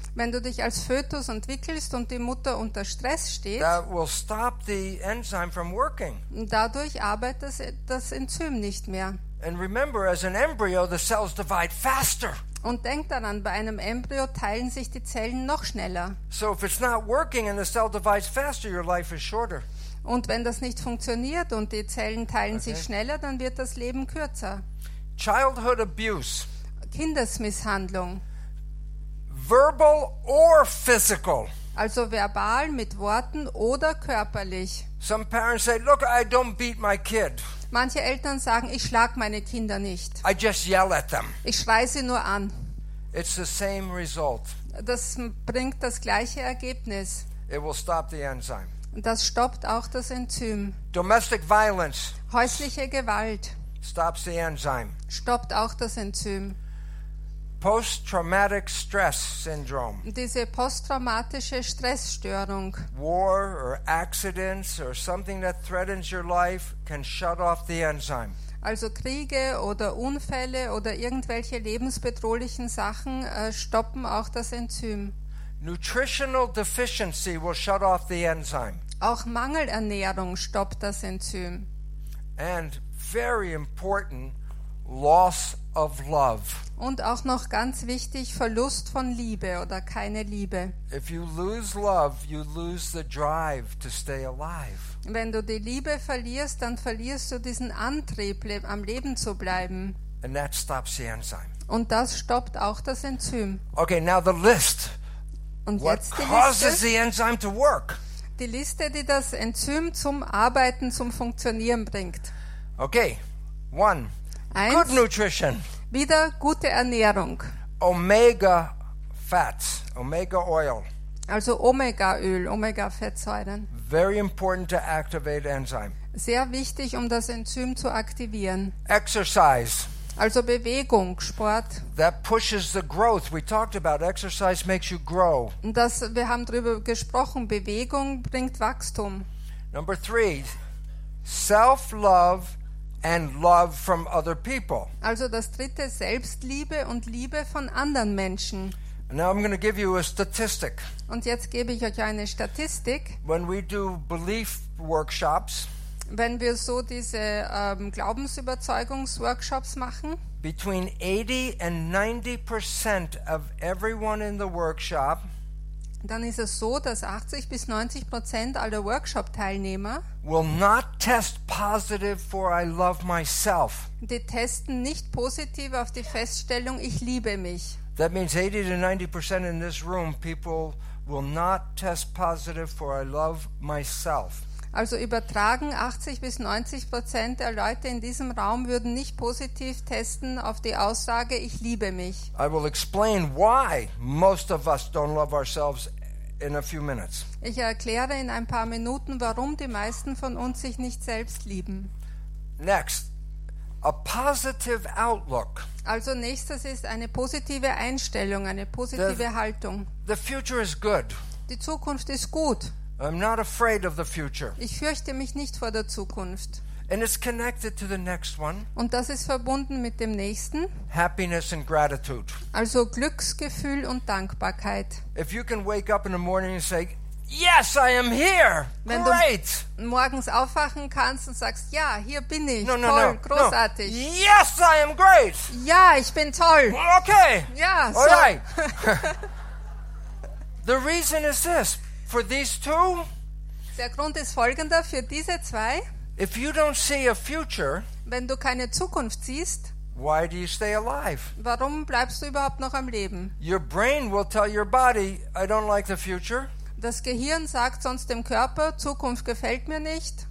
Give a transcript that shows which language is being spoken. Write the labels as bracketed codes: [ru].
[de] wenn du dich als Fötus entwickelst und die Mutter unter Stress steht, [en] that will stop the enzyme from working. [de] Dadurch arbeitet das Enzym nicht mehr. [en] And remember, as an embryo, the cells divide faster. [de] Und denk daran, bei einem Embryo teilen sich die Zellen noch schneller. [en] So if it's not working and the cell divides faster, your life is shorter. [de] Und wenn das nicht funktioniert und die Zellen teilen sich schneller, dann wird das Leben kürzer. [en] Childhood abuse. [de] Kindesmisshandlung. [en] Verbal or physical. [de] Also verbal mit Worten oder körperlich. [en] Some parents say, look, I don't beat my kid. [de] Manche Eltern sagen, ich schlag meine Kinder nicht. [en] I just yell at them. [de] Ich schreie sie nur an. [en] It's the same result. [de] Das bringt das gleiche Ergebnis. [en] It will stop the enzyme. [de] Das stoppt auch das Enzym. [en] Domestic violence. [de] Häusliche Gewalt. [en] Stops the enzyme. [de] Stoppt auch das Enzym. [en] Post-traumatic stress syndrome. [de] Diese posttraumatische Stressstörung. [en] War or accidents or something that threatens your life can shut off the enzyme. [de] Also Kriege oder Unfälle oder irgendwelche lebensbedrohlichen Sachen stoppen auch das Enzym. [en] Nutritional deficiency will shut off the enzyme. [de] Auch Mangelernährung stoppt das Enzym. [en] And very important loss of love. [de] Und auch noch ganz wichtig, Verlust von Liebe oder keine Liebe. [en] If you lose love, you lose the drive to stay alive. [de] Wenn du die Liebe verlierst, dann verlierst du diesen Antrieb, am Leben zu bleiben. [en] And that stops the enzyme. [de] Und das stoppt auch das Enzym. [en] Okay, now the list. [de] Und [en] what [de] jetzt [en] causes the enzyme to work? [de] Die Liste, die das Enzym zum Arbeiten, zum Funktionieren bringt. [en] Okay, one. [de] Eins. [en] Good nutrition. [de] Wieder gute Ernährung. [en] Omega fats, omega oil. [de] Also Omega Öl, Omega Fettsäuren. [en] Very important to activate enzyme. [de] Sehr wichtig, um das Enzym zu aktivieren. [en] Exercise. [de] Also Bewegung, Sport. [en] That pushes the growth. We talked about exercise makes you grow. [de] Das, wir haben darüber gesprochen, Bewegung bringt Wachstum. [en] Number three, self-love and love from other people. [de] Also das dritte, Selbstliebe und Liebe von anderen Menschen. [en] Now I'm going to give you a statistic. [de] Und jetzt gebe ich euch eine Statistik. [en] When we do belief workshops, [de] wenn wir so diese Glaubensüberzeugungsworkshops machen, [en] between 80 and 90% of everyone in the workshop, [de] dann ist es so, dass 80 bis 90% aller Workshop Teilnehmer [en] will not test positive for I love myself. [de] Die testen nicht positiv auf die Feststellung ich liebe mich. [en] That means 80 to 90% in this room people will not test positive for I love myself. [de] Also übertragen 80 bis 90% der Leute in diesem Raum würden nicht positiv testen auf die Aussage ich liebe mich. [en] I will explain why most of us don't love ourselves in a few minutes. [de] Ich erkläre in ein paar Minuten, warum die meisten von uns sich nicht selbst lieben. [en] Next, a positive outlook. [de] Also nächstes ist eine positive Einstellung, eine positive Haltung. [en] The future is good. [de] Die Zukunft ist gut. [en] I'm not afraid of the future. [de] Ich fürchte mich nicht vor der Zukunft. [en] And it's connected to the next one. [de] Und das ist verbunden mit dem nächsten. [en] Happiness and gratitude. [de] Also Glücksgefühl und Dankbarkeit. [en] If you can wake up in the morning and say, "Yes, I am here." [de] Wenn [en] great. [de] Du morgens aufwachen kannst und sagst, ja, hier bin ich. [en] No, no, [de] toll, [en] no, [de] großartig. [en] No. Yes, I am great. [de] Ja, ich bin toll. [en] Okay. [de] Ja, [en] so. All right. The reason is this. For these two, [de] der Grund ist folgender, für diese zwei, [en] if you don't see a future, [de] wenn du keine Zukunft siehst, [en] why do you stay alive? [de] Warum bleibst du überhaupt noch am Leben? [en] Your brain will tell your body, I don't like the future. [de] Das Gehirn sagt sonst dem Körper, Zukunft gefällt mir nicht.